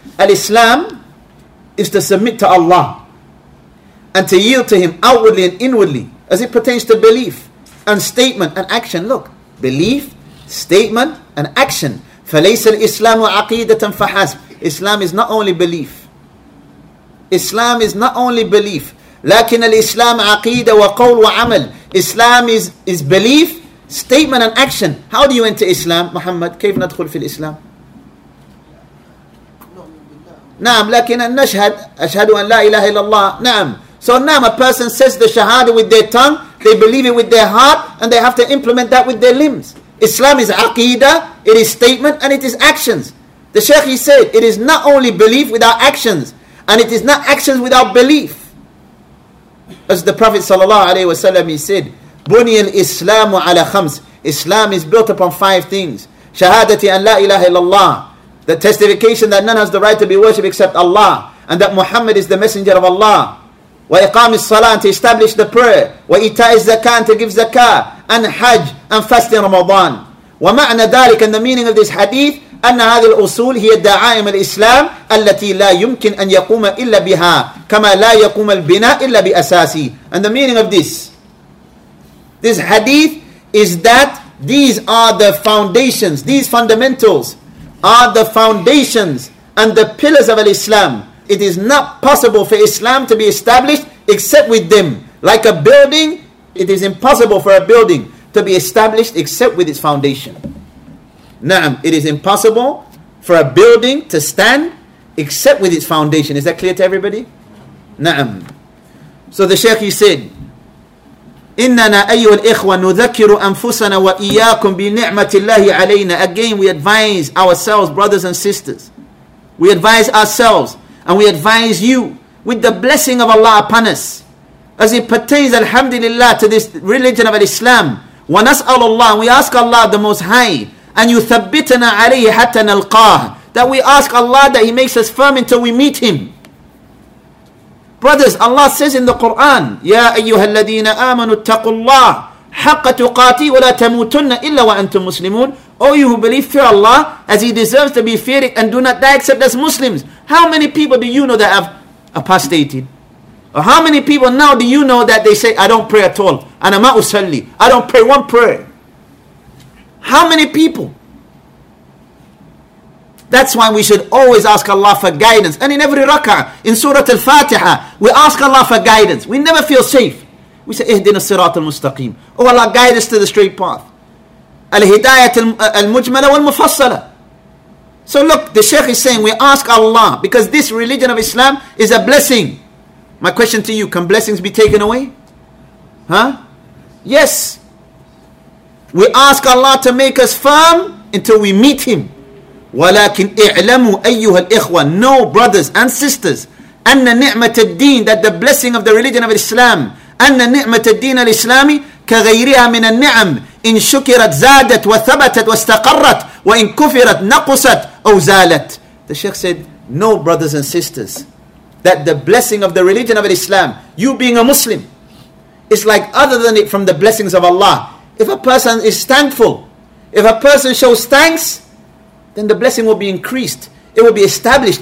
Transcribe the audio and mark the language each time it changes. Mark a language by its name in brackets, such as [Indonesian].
[English] Al-Islam is to submit to Allah and to yield to Him outwardly and inwardly as it pertains to belief and statement and action. Look, belief, statement and action. [Arabic] فَلَيْسَ الْإِسْلَامُ عَقِيدَةً فَحَسْبُ. [English] Islam is not only belief. Islam is not only belief. [Arabic] لكن الإسلام عقيدة وقول وعمل. [English] Islam is belief, statement and action. How do you enter Islam, Muhammad? [Arabic] كيف ندخل في الإسلام؟ نعم لكن نشهد أشهد أن لا إله إلا الله. نعم. [English] So نعم, a person says the shahada with their tongue, they believe it with their heart, and they have to implement that with their limbs. Islam is عقيدة, it is statement and it is actions. The Shaykh, he said, it is not only belief without actions, and it is not actions without belief. As the Prophet sallallahu alaihi wasallam, he said, [Arabic] "Bunya al-Islamu ala khams." [English] Islam is built upon five things: [Arabic] shahadati an la ilaha illallah, [English] the testification that none has the right to be worshipped except Allah, and that Muhammad is the messenger of Allah, [Arabic] wa iqam as-salah, [English] to establish the prayer, [Arabic] wa ita' az-zakah, [English] to give zakah, and hajj, and fast in Ramadan. [Arabic] Wa ma'na dhalik, [English] and the meaning of this hadith, [Arabic] أن هذه الأصول هي دعائم الإسلام التي لا يمكن أن يقوم إلا بها كما لا يقوم البناء إلا بأساسي. [English] And the meaning of this hadith is that these are the foundations, these fundamentals are the foundations and the pillars of Islam. It is not possible for Islam to be established except with them. Like a building, it is impossible for a building to be established except with its foundation. Na'am, it is impossible for a building to stand except with its foundation. Is that clear to everybody? [Arabic] Na'am. [English] So the Shaykh, he said, [Arabic] إِنَّنَا أَيُّهَا الْإِخْوَةُ نُذَكِّرُ أَنفُسَنَا وَإِيَّاكُمْ بِنِعْمَةِ اللَّهِ عَلَيْنَا. [English] Again, we advise ourselves, brothers and sisters. We advise ourselves and we advise you with the blessing of Allah upon us. As it pertains, alhamdulillah, to this religion of Islam. [Arabic] وَنَسْأَلُ اللَّهِ. [English] We ask Allah the Most High. [Arabic] And يُثَبِّتَنَا عَلَيْهِ حَتَّى نَلْقَاهِ. [English] That we ask Allah that He makes us firm until we meet Him. Brothers, Allah says in the Quran, [Arabic] يَا أَيُّهَا الَّذِينَ آمَنُوا اتَّقُوا اللَّهِ حَقَّ تُقَاتِي وَلَا تَمُوتُنَّ إِلَّا وَأَنْتُمْ مُسْلِمُونَ. [English] O you who believe, fear Allah as He deserves to be feared and do not die except as Muslims. How many people do you know that have apostated? Or how many people now do you know that they say, I don't pray at all. [Arabic] أَنَا مَا أُسَلِّي. [English] I don't pray one prayer. How many people That's why we should always ask Allah for guidance. And in every rak'ah, in Surah Al-Fatiha, we ask Allah for guidance. We never feel safe. We say, [Arabic] اهدنا الصراط المستقيم. [English] Oh Allah, guide us to the straight path. [Arabic] الهداية المجملة والمفصلة. [English] So look, the Shaykh is saying, we ask Allah, because this religion of Islam is a blessing. My question to you, can blessings be taken away? Huh? Yes. We ask Allah to make us firm until we meet Him. [Arabic] ولكن اعلموا أيها الإخوة, [English] know brothers and sisters, [Arabic] أن نعمة الدين, [English] that the blessing of the religion of Islam, [Arabic] أن نعمة الدين الإسلامي كغيرها من النعم, إن شكرت زادت وثبتت واستقرت وإن كفرت نقصت أو زالت. [English] The Shaykh said, know brothers and sisters, that the blessing of the religion of Islam, you being a Muslim, it's like other than it from the blessings of Allah. If a person is thankful, if a person shows thanks, then the blessing will be increased. It will be established.